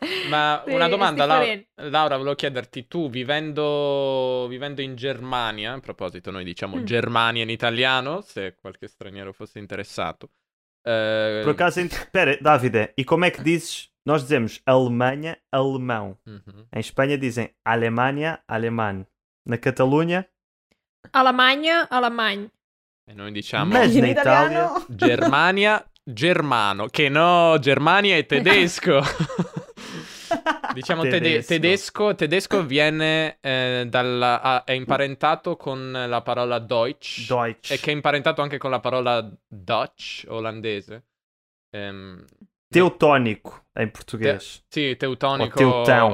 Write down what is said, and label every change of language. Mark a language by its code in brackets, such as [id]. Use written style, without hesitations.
[pt] Mas uma [it] domanda, Laura, volevo chiederti: tu vivendo in Germania, a proposito, noi diciamo Germania in italiano, se qualche straniero fosse interessato. [pt] Por acaso, espera, Davide, e como é que dizes? Nós dizemos Alemanha, alemão. Uh-huh. Em Espanha dizem Alemanha, alemão. Na Catalunha, Alemanha, alemão. E nós dizemos. Mas na Itália, Germania, germano. Que não, Germania é tedesco. [it] Diciamo tedesco viene è imparentato con la parola Deutsch e che è imparentato anche con la parola Dutch, olandese. Teutonico è in portoghese. Sì, teutonico. Teutão.